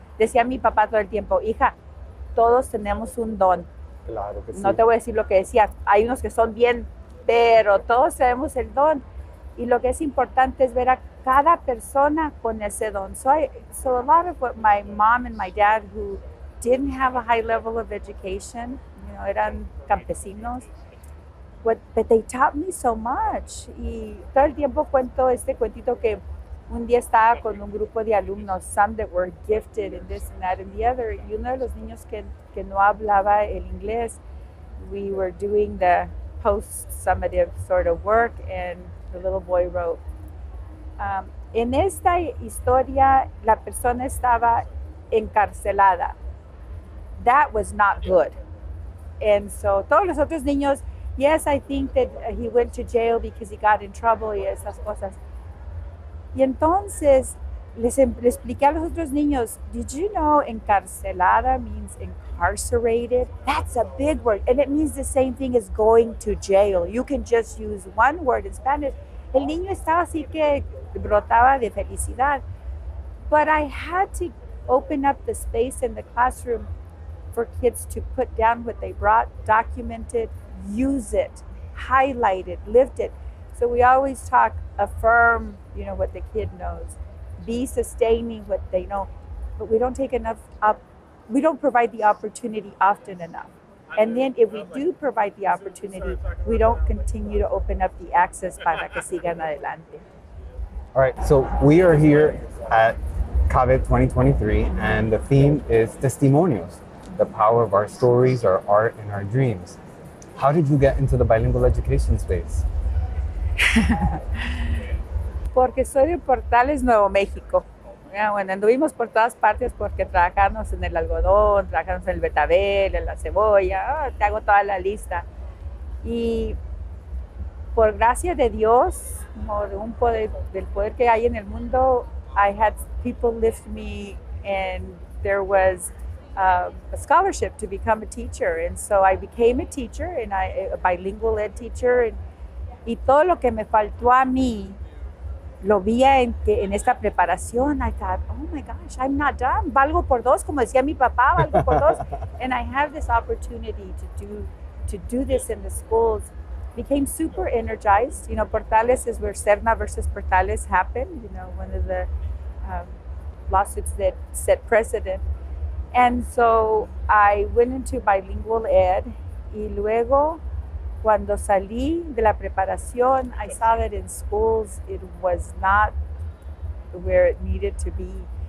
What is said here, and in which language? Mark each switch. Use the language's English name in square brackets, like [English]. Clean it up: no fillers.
[Spanish] Decía mi papá todo el tiempo, hija, todos tenemos un don. Claro que sí. No te voy a decir lo que decía. Hay unos que son bien, pero todos traemos el don. Y lo que es importante es ver a cada persona con ese don. [English] So a lot of what my mom and my dad, who didn't have a high level of education, you know, [Spanish] eran campesinos, [English] but they taught me so much. [Spanish] Y todo el tiempo cuento este cuentito que un día estaba con un grupo de alumnos, [English] some that were gifted and this and that and the other, [Spanish] y uno de los niños que no hablaba el inglés, [English] we were doing the post-summative sort of work, and the little boy wrote, [Spanish] en esta historia, la persona estaba encarcelada. [English] That was not good. And so [Spanish] todos los otros niños, [English] yes, I think that he went to jail because he got in trouble [Spanish] y esas cosas. Y entonces les expliqué a los otros niños, [English] did you know encarcelada means incarcerated? That's a big word. And it means the same thing as going to jail. You can just use one word in Spanish. [Spanish] El niño estaba así que brotaba de felicidad. [English] But I had to open up the space in the classroom for kids to put down what they brought, document it, use it, highlight it, lift it. So we always talk, affirm, you know, what the kid knows, be sustaining what they know, but we don't take enough up, we don't provide the opportunity often enough. And then if we do provide the opportunity, we don't continue to open up the access [Spanish] para que sigan adelante. [English] All right, so we are here at CABE 2023, and the theme is testimonials. The power of our stories, our art, and our dreams. How did you get into the bilingual education space? [Spanish] Porque soy de Portales, Nuevo México. Bueno, anduvimos por todas partes porque trabajamos en el algodón, trabajamos en el betabel, en la cebolla, te hago toda la lista. Y por gracia de Dios, por un poder, del poder que hay en el mundo, [English] I had people lift me, and there was a scholarship to become a teacher. And so I became a teacher, and a bilingual ed teacher. [Spanish] Y todo lo que me faltó a mí lo vi en esta preparación, [English] I thought, oh my gosh, I'm not done. [Spanish] Valgo por dos, como decía mi papá, valgo por dos. [English] And I have this opportunity to do this in the schools. Became super energized. You know, Portales is where Serna versus Portales happened, you know, one of the lawsuits that set precedent. And so I went into bilingual ed, [Spanish] y luego, cuando salí de la preparación, [English] I saw that in schools it was not where it needed to be.